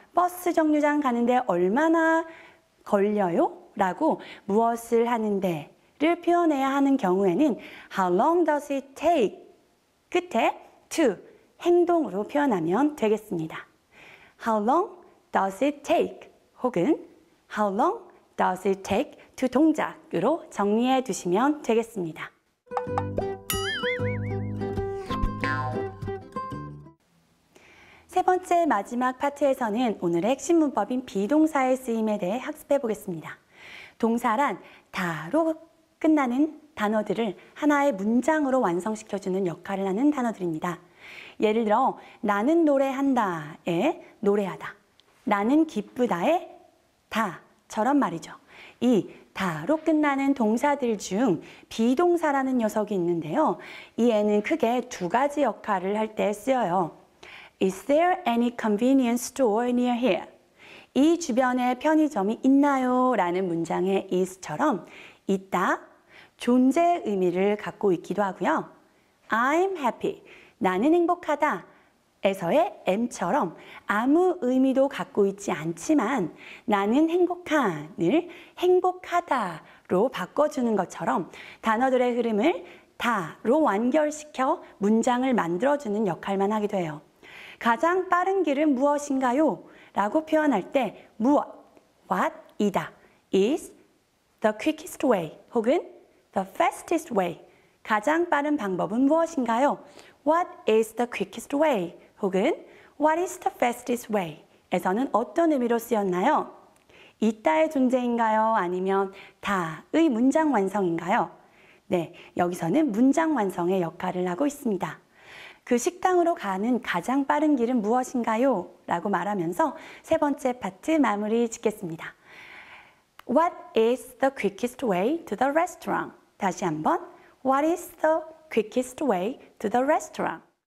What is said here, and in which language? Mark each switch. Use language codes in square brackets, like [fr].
[ko] 버스 정류장 가는데 얼마나 걸려요? 라고 무엇을 하는데를 표현해야 하는 경우에는 [en] How long does it take? [ko] 끝에 to 행동으로 표현하면 되겠습니다. [en] How long does it take? [ko] 혹은 [en] How long does it take to [ko] 동작으로 정리해 두시면 되겠습니다. 세 번째 마지막 파트에서는 오늘의 핵심 문법인 비동사의 쓰임에 대해 학습해 보겠습니다. 동사란 다로 끝나는 단어들을 하나의 문장으로 완성시켜주는 역할을 하는 단어들입니다. 예를 들어 나는 노래한다에 노래하다, 나는 기쁘다에 다처럼 말이죠. 이 다로 끝나는 동사들 중 비동사라는 녀석이 있는데요. 이 애는 크게 두 가지 역할을 할 때 쓰여요. [en] Is there any convenience store near here? [ko] 이 주변에 편의점이 있나요? 라는 문장의 is처럼 있다, 존재의 의미를 갖고 있기도 하고요. [en] I'm happy, [ko] 나는 행복하다 에서의 am처럼 아무 의미도 갖고 있지 않지만 나는 행복한을 행복하다로 바꿔주는 것처럼 단어들의 흐름을 다로 완결시켜 문장을 만들어주는 역할만 하기도 해요. 가장 빠른 길은 무엇인가요? 라고 표현할 때 무엇, what이다, [en] is the quickest way [ko] 혹은 [en] the fastest way, [ko] 가장 빠른 방법은 무엇인가요? [en] What is the quickest way? 혹은 What is the fastest way? [ko] 에서는 어떤 의미로 쓰였나요? 있다의 존재인가요? 아니면 다의 문장 완성인가요? 네, 여기서는 문장 완성의 역할을 하고 있습니다. 그 식당으로 가는 가장 빠른 길은 무엇인가요? 라고 말하면서 세 번째 파트 마무리 짓겠습니다. [en] What is the quickest way to the restaurant? [ko] 다시 한번 [en] What is the quickest way to the restaurant?